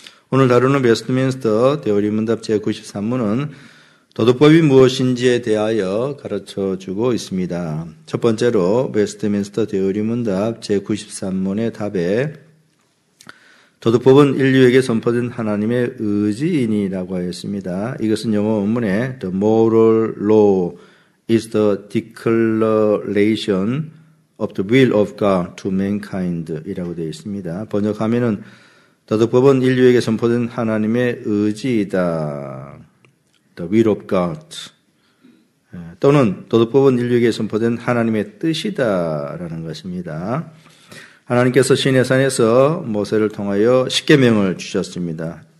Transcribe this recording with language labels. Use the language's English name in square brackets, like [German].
[Korean] 오늘 다루는 웨스트민스터 대오리문답 제93문은 도덕법이 무엇인지에 대하여 가르쳐주고 있습니다. 첫 번째로 웨스트민스터 대오리문답 제93문의 답에 도덕법은 인류에게 선포된 하나님의 의지이니라고 하였습니다. 이것은 영어 원문에 [English] The moral law is the declaration of the will of God to mankind [Korean] 이라고 되어 있습니다. 번역하면 도덕법은 인류에게 선포된 하나님의 의지이다. [English] The will of God. [Korean] 또는 도덕법은 인류에게 선포된 하나님의 뜻이다 라는 것입니다. 하나님께서 시내산에서 모세를 통하여 십계명을 주셨습니다.